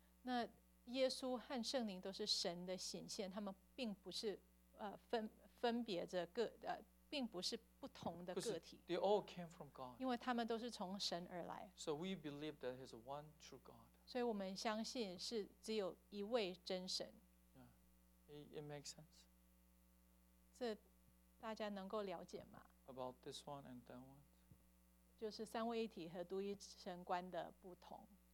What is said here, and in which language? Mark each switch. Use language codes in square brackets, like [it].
[zh] 那耶稣和圣灵都是神的显现，他们并不是分别着各的。并不是不同的个体。 [en] They all came from God. [zh] 因为他们都是从神而来。 [en] So we believe that he's one true God. [zh] 所以我们相信是只有一位真神。 [en] Yeah. It makes sense. [zh] 这大家能够了解吗？ [en] About this one and that one. [zh] 就是三位一体和独一神观的不同。